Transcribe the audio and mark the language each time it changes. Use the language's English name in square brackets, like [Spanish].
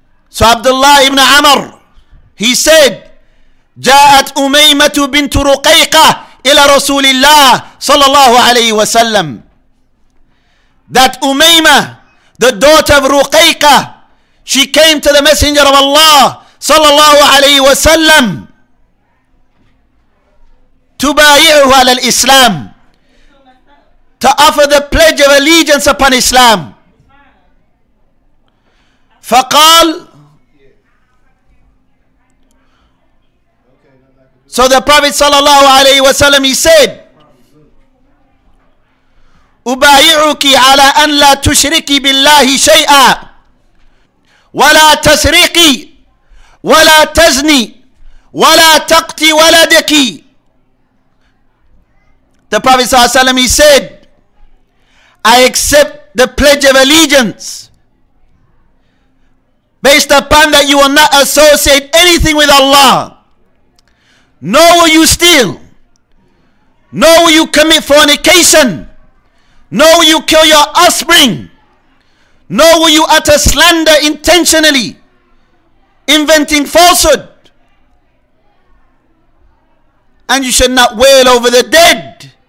[Arabic] So عبد الله ابن عمر, [English] he said, [Arabic] جاءت أميمة بنت رقيقة إلى رسول الله صلى الله عليه وسلم. [English] That أميمة, the daughter of رقيقة, she came to the Messenger of Allah صلى الله عليه وسلم to [Arabic] بايعه على الإسلام, [English] to offer the pledge of allegiance upon Islam. [Arabic] فقال, [English] so the Prophet sallallahu alayhi wa sallam, he said, [Arabic] أُبَايِعُكِ عَلَىٰ أَنْ لَا تُشْرِكِ بِاللَّهِ شَيْئًا وَلَا تَسْرِقِ وَلَا تَزْنِ وَلَا تَقْتِ وَلَدَكِ. [English] The Prophet sallallahu alayhi wa sallam, he said, I accept the pledge of allegiance based upon that you will not associate anything with Allah, nor will you steal, nor will you commit fornication, nor will you kill your offspring, nor will you utter slander intentionally, inventing falsehood, and you should not wail over the dead.